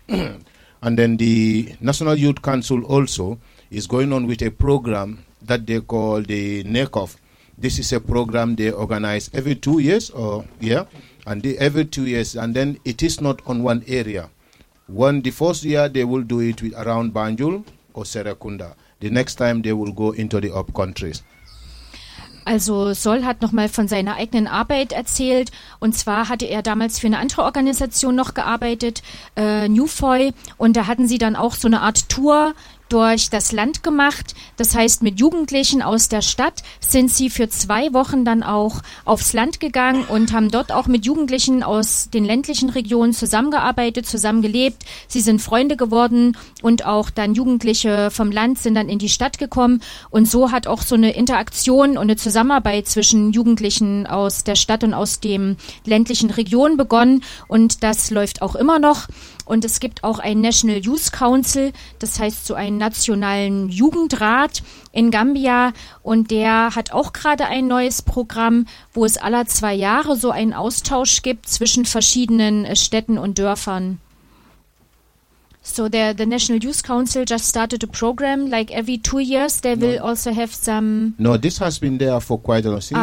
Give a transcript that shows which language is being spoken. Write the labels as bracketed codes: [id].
[en] And then the National Youth Council also is going on with a program that they call the NECOF. This is a program they organize every 2 years, every 2 years. And then it is not on one area. The first year, they will do it with around Banjul or Serekunda. The next time, they will go into the up countries. [de] Also Sol hat nochmal von seiner eigenen Arbeit erzählt. Und zwar hatte er damals für eine andere Organisation noch gearbeitet, Newfoy. Und da hatten sie dann auch so eine Art Tour durch das Land gemacht. Das heißt, mit Jugendlichen aus der Stadt sind sie für 2 Wochen dann auch aufs Land gegangen und haben dort auch mit Jugendlichen aus den ländlichen Regionen zusammengearbeitet, zusammengelebt. Sie sind Freunde geworden und auch dann Jugendliche vom Land sind dann in die Stadt gekommen. Und so hat auch so eine Interaktion und eine Zusammenarbeit zwischen Jugendlichen aus der Stadt und aus den ländlichen Regionen begonnen. Und das läuft auch immer noch. Und es gibt auch ein National Youth Council, das heißt so einen nationalen Jugendrat in Gambia. Und der hat auch gerade ein neues Programm, wo es alle 2 Jahre so einen Austausch gibt zwischen verschiedenen Städten und Dörfern. [en] So the National Youth Council just started a program, like every 2 years they will also have some... No, this has been there for quite a long time.